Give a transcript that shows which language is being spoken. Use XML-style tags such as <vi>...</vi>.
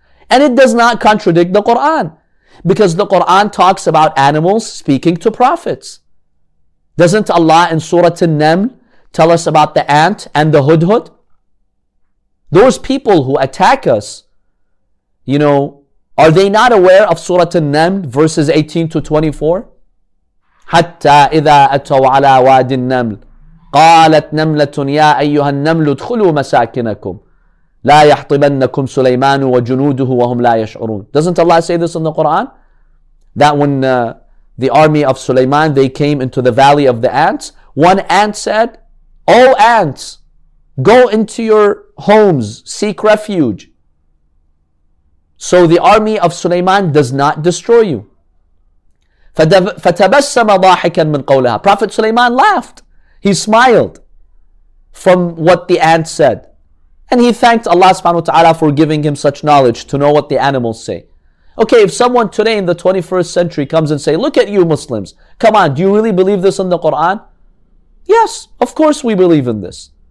<en>And it does not contradict the Quran, because the Quran talks about animals speaking to prophets. Doesn't Allah in Surah An-Naml tell us about the ant and the hudhud? Those people who attack us, you know, are they not aware of Surah An-Naml, verses 18 to 24?</en> <ar>حتى إذا أتوا على واد النمل قالت نملة يا أيها النمل ادخلوا مساكنكم لا يحطمنكم سليمان وجنوده وهم لا يشعرون.</ar> <en>Doesn't Allah say this in the Quran? That when the army of Sulaiman, they came into the valley of the ants, one ant said, O ants, go into your homes, seek refuge. So the army of Sulaiman does not destroy you.</en> <ar>فَتَبَسَّمَ ضَاحِكًا مِنْ قَوْلِهَا</ar> <en>Prophet Sulaiman laughed. He smiled from what the ant said. And he thanked Allah</en> <ar>subhanahu wa ta'ala</ar> <en>for giving him such knowledge to know what the animals say. Okay, if someone today in the 21st century comes and say, look at you Muslims, come on, do you really believe this in the Quran? Yes, of course we believe in this.</en>